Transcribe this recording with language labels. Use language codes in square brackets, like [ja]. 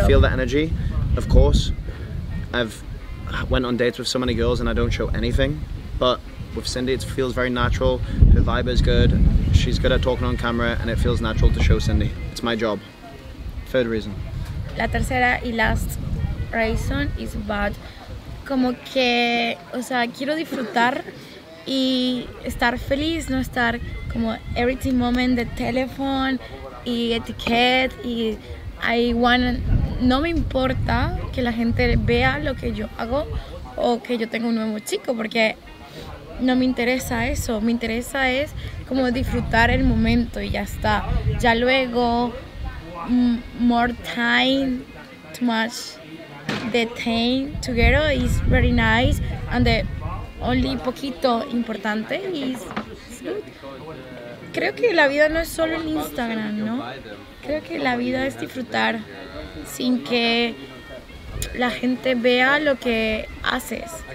[en] I feel the energy, of course. I've went on dates with so many girls and I don't show anything, but with Cindy it feels very natural, her vibe is good, she's good at talking on camera and it feels natural to show Cindy. It's my job. Third reason. [es] la tercera y [en] last reason is bad. [es] Como que, o sea, quiero disfrutar y estar feliz, no estar como [en] every moment [es] de teléfono y etiquette y [en] I want, [es] no me importa que la gente vea lo que yo hago o que yo tengo un nuevo chico, porque no me interesa eso, me interesa es como disfrutar el momento y ya está. Ya luego, [en] more time, too much detained together is very nice, and the only [es] poquito importante [en] is good. [es] Creo que la vida no es solo en Instagram, ¿no? Creo que la vida es disfrutar sin que la gente vea lo que haces.